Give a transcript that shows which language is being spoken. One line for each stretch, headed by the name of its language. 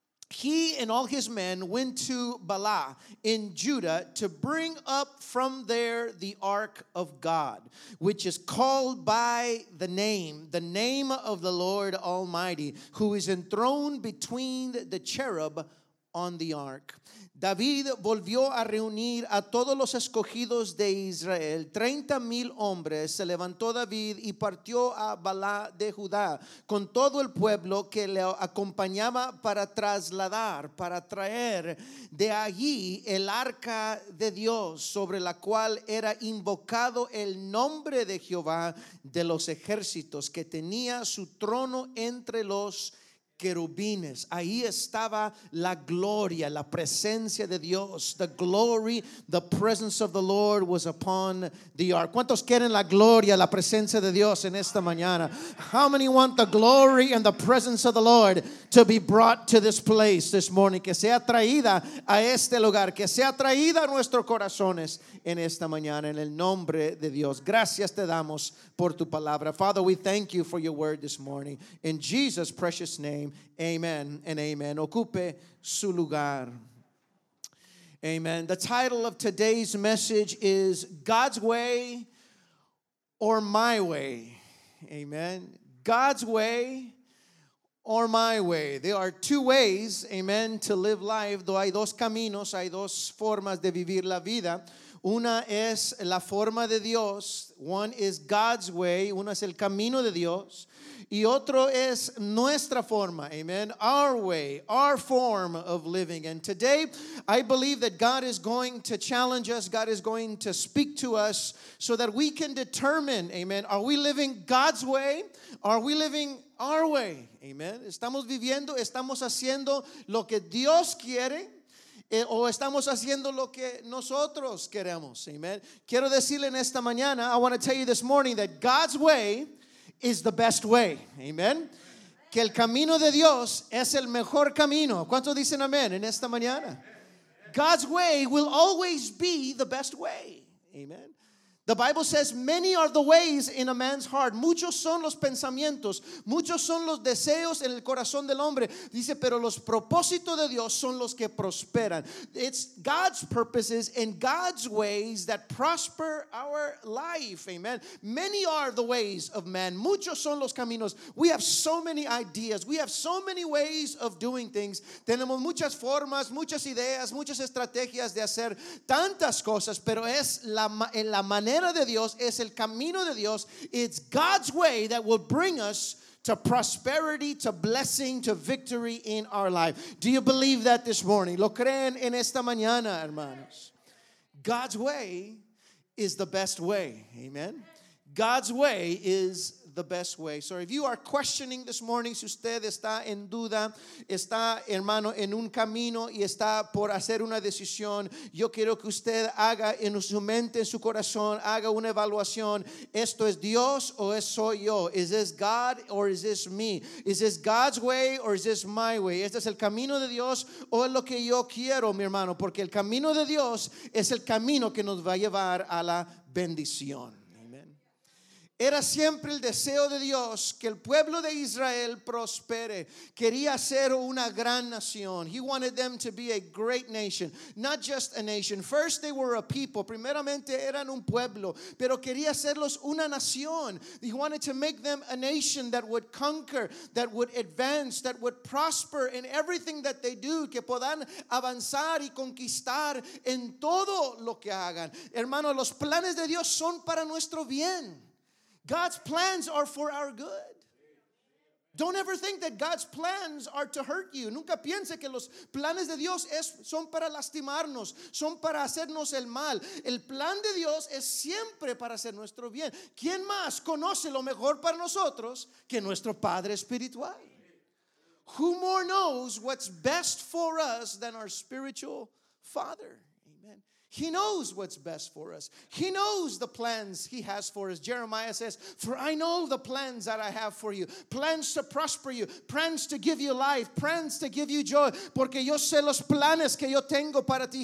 English: He and all his men went to Bala in Judah to bring up from there the ark of God, which is called by the name of the Lord Almighty, who is enthroned between the cherub on the ark.
Spanish: David volvió a reunir a todos los escogidos de Israel, 30,000 hombres. Se levantó David y partió a Bala de Judá con todo el pueblo que le acompañaba para trasladar, para traer de allí el arca de Dios, sobre la cual era invocado el nombre de Jehová de los ejércitos, que tenía su trono entre los querubines. Ahí estaba la gloria, la presencia de Dios.
English: The glory, the presence of the Lord was upon the ark.
Spanish: ¿Cuántos quieren la gloria, la presencia de Dios en esta mañana?
English: How many want the glory and the presence of the Lord to be brought to this place this morning?
Spanish: Que sea traída a este lugar, que sea traída a nuestros corazones en esta mañana, en el nombre de Dios. Gracias te damos por tu palabra.
English: Father, we thank you for your word this morning. In Jesus' precious name, amen and amen.
Spanish: Ocupe su lugar.
English: Amen. The title of today's message is God's Way or My Way. Amen. God's Way or My Way. There are two ways, amen, to live life.
Spanish: Though hay dos caminos, hay dos formas de vivir la vida. Una es la forma de Dios.
English: One is God's way.
Spanish: Una es el camino de Dios. Y otro es nuestra forma, amen,
English: our way, our form of living. And today, I believe that God is going to challenge us, God is going to speak to us so that we can determine, amen, are we living God's way, are we living our way, amen.
Spanish: Estamos viviendo, estamos haciendo lo que Dios quiere. O estamos haciendo lo que nosotros queremos, amen. Quiero decirle en esta mañana,
English: I want to tell you this morning that God's way is the best way, amen.
Spanish: Que el camino de Dios es el mejor camino. ¿Cuántos dicen amén en esta mañana?
English: God's way will always be the best way, amen. The Bible says many are the ways in a man's heart.
Spanish: Muchos son los pensamientos, muchos son los deseos en el corazón del hombre. Dice, pero los propósitos de Dios son los que prosperan.
English: It's God's purposes and God's ways that prosper our life. Amen. Many are the ways of man.
Spanish: Muchos son los caminos.
English: We have so many ideas. We have so many ways of doing things.
Spanish: Tenemos muchas formas, muchas ideas, muchas estrategias de hacer tantas cosas, pero es la manera de Dios, es el camino de Dios.
English: It's God's way that will bring us to prosperity, to blessing, to victory in our life. Do you believe that this morning?
Spanish: ¿Lo creen en esta mañana, hermanos?
English: God's way is the best way. Amen. God's way is the best way. So if you are questioning this morning,
Spanish: si usted está en duda, está, hermano, en un camino y está por hacer una decisión, yo quiero que usted haga en su mente, en su corazón, haga una evaluación. ¿Esto es Dios o es soy yo?
English: Is this God or is this me? Is this God's way or is this my way?
Spanish: ¿Este es el camino de Dios o es lo que yo quiero, mi hermano? Porque el camino de Dios es el camino que nos va a llevar a la bendición. Era siempre el deseo de Dios que el pueblo de Israel prospere. Quería ser una gran nación.
English: He wanted them to be a great nation, not just a nation. First they were a people.
Spanish: Primeramente eran un pueblo, pero quería hacerlos una nación.
English: He wanted to make them a nation that would conquer, that would advance, that would prosper in everything that they do,
Spanish: que puedan avanzar y conquistar en todo lo que hagan. Hermano, los planes de Dios son para nuestro bien.
English: God's plans are for our good. Don't ever think that God's plans are to hurt you.
Spanish: Nunca piense que los planes de Dios son para lastimarnos, son para hacernos el mal. El plan de Dios es siempre para hacer nuestro bien. ¿Quién más conoce lo mejor para nosotros que nuestro Padre espiritual?
English: Who more knows what's best for us than our spiritual Father? He knows what's best for us. He knows the plans he has for us. Jeremiah says, for I know the plans that I have for you. Plans to prosper you. Plans to give you life. Plans to give you joy.
Spanish: Porque yo sé los planes que yo tengo para ti.